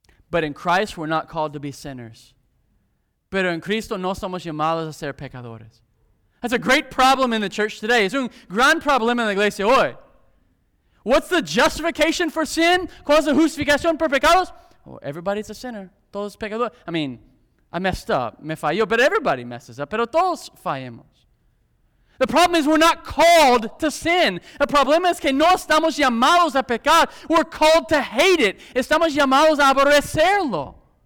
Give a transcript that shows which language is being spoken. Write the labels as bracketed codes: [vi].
[en] But in Christ, we're not called to be sinners. [es] Pero en Cristo no somos llamados a ser pecadores. [en] That's a great problem in the church today. [es] Es un gran problema en la iglesia hoy. [en] What's the justification for sin? [es] ¿Cuál es la justificación por pecados? [en] Oh, everybody's a sinner. [es] Todos pecadores. [en] I mean, I messed up. [es] Me falló. [en] But everybody messes up. [es] Pero todos fallamos. [en] The problem is we're not called to sin. [es] El problema es que no estamos llamados a pecar. [en] We're called to hate it. [es] Estamos llamados a aborrecerlo.